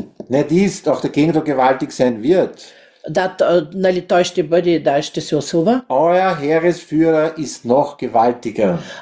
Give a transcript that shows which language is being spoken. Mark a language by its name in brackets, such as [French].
[German] Nicht ist, auch der Gegendruck gewaltig sein wird. [Bulgarian] Да, нали, той ще бъде, да, ще се усилва. [German] Euer Heeresführer ist noch gewaltiger.